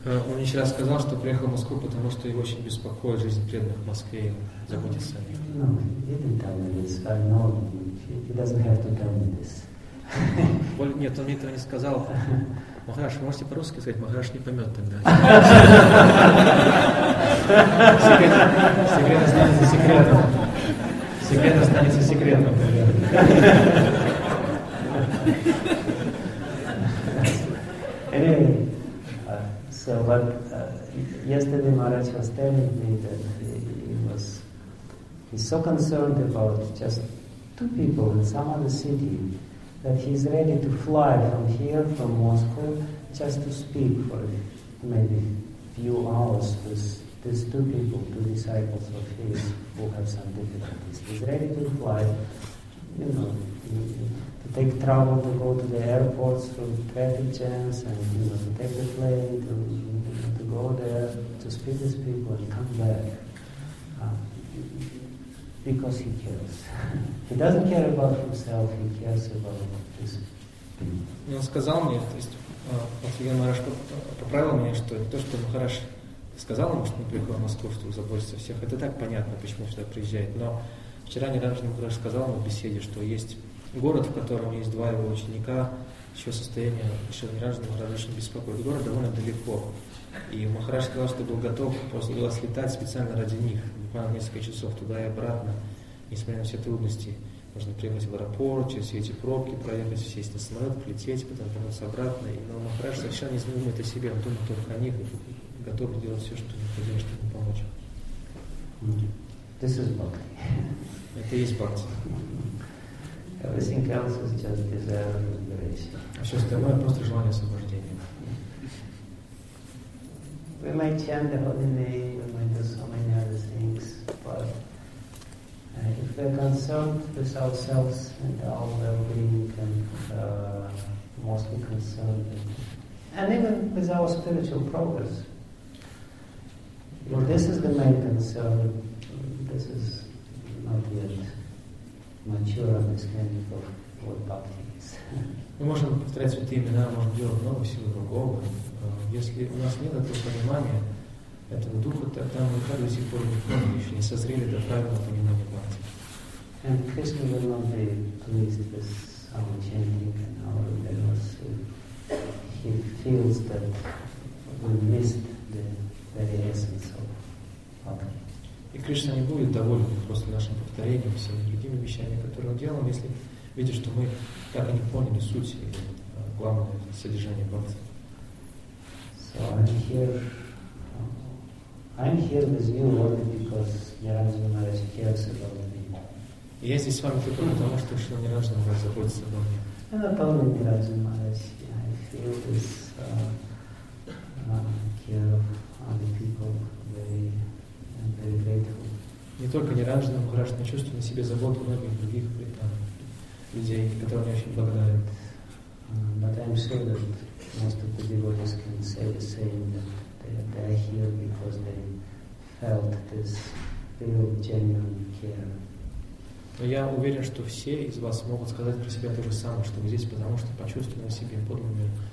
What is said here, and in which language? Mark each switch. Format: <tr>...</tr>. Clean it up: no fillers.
<ru>Он еще раз сказал, что приехал в Москву, потому что его очень беспокоит жизнь преданных в Москве и заботится о них.</ru> <en>No, he didn't tell me this. I know he doesn't have to tell me this.</en> <ru>Нет, он мне этого не сказал. Махарадж, вы можете по-русски сказать? Махарадж не поймет тогда. Секрет останется секретом. Секрет останется секретом.</ru> <en>Anyway, so what yesterday Maharaj was telling me that he's so concerned about just two people in some other city, that he's ready to fly from here, from Moscow, just to speak for maybe few hours with these two people, two disciples of his who have some difficulties. He's ready to fly, you know, to take travel to go to the airports from traffic jams and, you know, to take the plane, to go there, to speak with people and come back. Because he cares. He doesn't care about himself, he cares about his people.</en> <ru>Он сказал мне, то есть Шри Махарадж поправил меня, что то, что Махарадж сказал ему, что он приехал в Москву, чтобы заботиться о всех, это так понятно, почему он сюда приезжает. Но вчера недавно Махарадж сказал ему в беседе, что есть город, в котором есть два его ученика, еще состояние Шри Махарадж очень беспокоит. Город довольно далеко. И Махарадж сказал, что был готов после глаз летать специально ради них. Буквально несколько часов туда и обратно, несмотря на все трудности. Нужно приехать в аэропорт, через все эти пробки проехать, сесть на самолет, полететь, потом вернуться обратно. И, но Махарадж совершенно не думает о себе, он думает только о них, и готов делать все, что необходимо, чтобы им помочь.</ru> <en>This is bhakti.</en> <ru>Это и есть бхакти.</ru> <en>Everything else is just desire and liberation.</en> <ru>А все остальное просто желание освобождения.</ru> <en>We might chant the holy name, we might do so many other things, but if we are concerned with ourselves and our well-being, and mostly concerned, and even with our spiritual progress, if this is the main concern, this is not yet mature understanding of what bhakti is.</en> <ru>Мы можем повторять святые имена, можем делать много всего другого. Если у нас нет этого понимания, этого духа, тогда мы так до сих пор не поняли, еще не созрели до правильного понимания бхакти.</ru> <en>And Krishna will not be pleased with our chanting and our devotion. He feels that we missed the very essence of bhakti.</en> <ru>И Кришна не будет доволен просто нашим повторением, всеми другими вещами, которые мы делаем, если видишь, что мы так и не поняли суть и главное содержание бхакти.</ru> <en>So I'm here with you only because Niranjana Maharaj cares about me.</en> <ru>Я здесь с вами только потому, что Шри Ниранджана Махарадж заботится обо мне.</ru> <en>And not only Niranjana Maharaj, I feel this care of other people very grateful.</en> <ru>Не только Ниранджана Махарадж, но чувствую на себе заботу многих других людей, которым я очень благодарен.</ru> <en>But I'm sure that most of the devotees can say the same, that they are here because they felt this real genuine care.</en> <ru>Но я уверен, что все из вас могут сказать про себя то же самое, что вы здесь, потому что почувствовали на себе подлинную</ru>